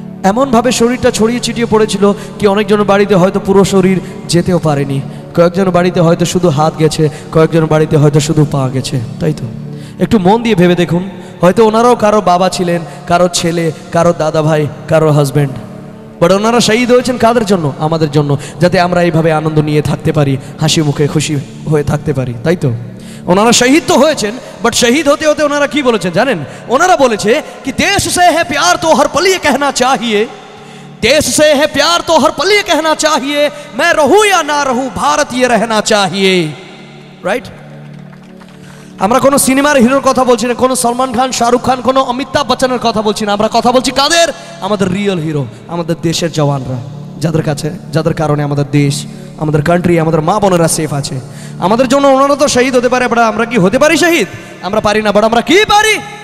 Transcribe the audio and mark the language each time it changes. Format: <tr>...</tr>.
<bn>এমন ভাবে শরীরটা ছড়িয়ে ছিটিয়ে পড়েছিল কি অনেকজন বাড়িতে হয়তো পুরো শরীর যেতেও পারেনি কয়েকজন বাড়িতে হয়তো শুধু হাত গেছে কয়েকজন বাড়িতে হয়তো শুধু পা গেছে তাই তো একটু মন দিয়ে ভেবে দেখুন হয়তো ওনারাও কারো বাবা ছিলেন কারো ছেলে কারো দাদা ভাই কারো হাজবেন্ড বড় ওনারা শহীদ হয়েছিল কাদের জন্য আমাদের জন্য যাতে আমরা এইভাবে আনন্দ নিয়ে থাকতে পারি হাসি মুখে খুশি হয়ে থাকতে পারি তাই তো ওনারা শহীদ তো হয়েছিল বাট শহীদ হতে হতে ওনারা কি বলেছেন জানেন ওনারা বলেছে কি</bn> <hi>দেশ সে হে প্যার তো হর পলিয়ে কহনা চাহিয়ে देश से है प्यार तो हर पल ये कहना चाहिए, मैं रहूं या ना रहूं भारत ये रहना चाहिए, राइट।</hi> <bn>আমরা কোন সিনেমার হিরোর কথা বলছি না, কোন সলমান খান শাহরুখ খান কোন অমিতাভ বচ্চনের কথা বলছি না, আমরা কথা বলছি কাদের, আমাদের রিয়েল হিরো, আমাদের দেশের জওয়ানরা, যাদের কাছে, যাদের কারণে আমাদের দেশ, আমাদের কান্ট্রি, আমাদের মা বোনেরা সেফ আছে। আমাদের জন্য ওনারা তো শহীদ হতে পারে, বাট আমরা কি হতে পারি শহীদ? আমরা পারি না, বাট আমরা কি পারি?</bn>